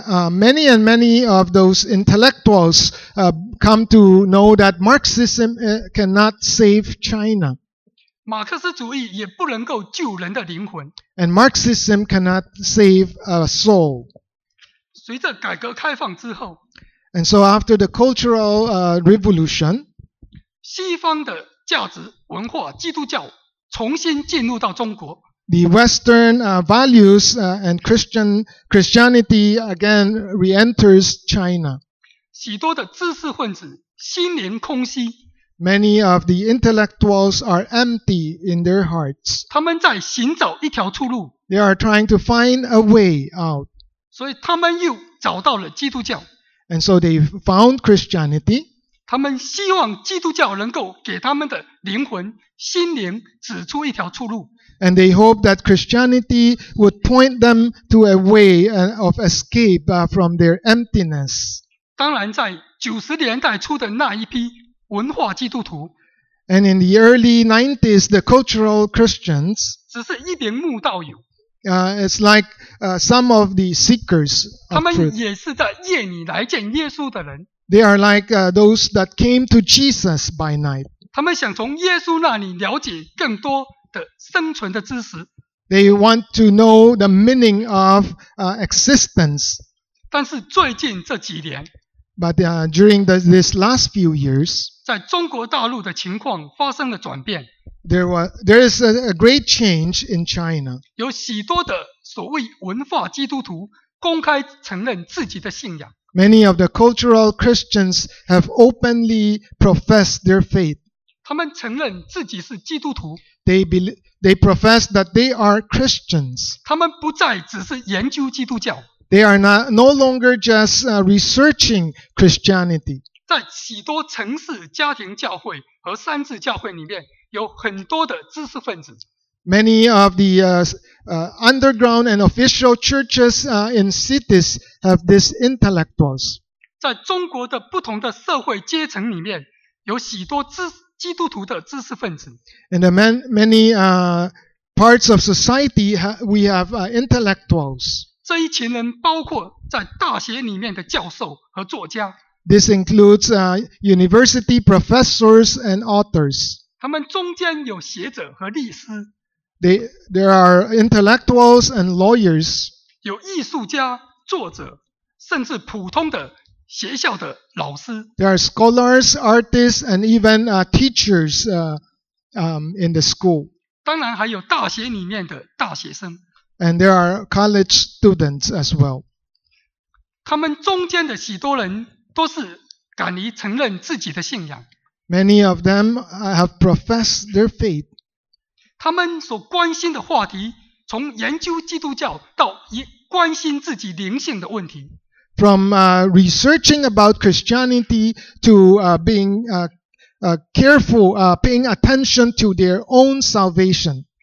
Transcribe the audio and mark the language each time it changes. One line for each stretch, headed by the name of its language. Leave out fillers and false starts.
English: Many of those intellectuals come to know that Marxism cannot save China.
Chinese: 马克思主义也不能够救人的灵魂。
English: And Marxism cannot save a soul.
Chinese: 随着改革开放之后。
English: And so after the Cultural Revolution,
Chinese: 西方的价值文化基督教重新进入到中国。
English: The Western values and Christianity again re-enters China.
Chinese: 许多的知识分子心灵空虚。
English: Many of the intellectuals are empty in their hearts.
Chinese: 他们在寻找一条出路。
English: They are trying to find a way out.
Chinese: 所以他们又找到了基督教。
English: And so they found Christianity.
Chinese: 他们希望基督教能够给他们的灵魂、心灵指出一条出路。
English: And they hope that Christianity would point them to a way of escape from their emptiness.
Chinese: 当然在90年代初的那一批文化基督徒。
English: And in the early 90s, the cultural Christians,
Chinese: 只是一名慕道友。
English: It's like some of the seekers of truth.
Chinese: 他们也是在夜里来见耶稣的人。
English: They are like those that came to Jesus by night.
Chinese: 他们想从耶稣那里了解更多的生存的知识。
English: They want to know the meaning of existence.
Chinese: 但是最近这几年。
English: But during this last few years,
Chinese: 在中国大陆的情况发生了转变。
English: There is a great change in China.
Chinese: 有许多的所谓文化基督徒公开承认自己的信仰。
English: Many of the cultural Christians have openly professed their faith.
Chinese: 他们承认自己是基督徒。
English: They profess that they are Christians.
Chinese: 他们不再只是研究基督教。
English: They are no longer just researching Christianity.
Chinese: 在许多城市家庭教会和三自教会里面有很多的知识分子。
English: Many of the underground and official churches in cities have these intellectuals.
Chinese: 在中国的不同的社会阶层里面有许多基督徒的知识分子。
English: In the many parts of society, we have intellectuals.
Chinese: 这一群人包括在大学里面的教授和作家。
English: This includes university professors and authors.
Chinese: 他们中间有学者和律师。
English: There are intellectuals and lawyers.
Chinese: 有艺术家、作者，甚至普通的学校的老师。
English: There are scholars, artists, and even teachers in the school.
Chinese: 当然还有大学里面的大学生。
English: And there are college students as well.
Chinese: 他们中间的许多人都是敢于承认自己的信仰。
English: Many of them have professed their faith.
Chinese: 他们所关心的话题，从研究基督教到关心自己灵性的问题。
English: From researching about Christianity to being careful, paying attention to their own salvation.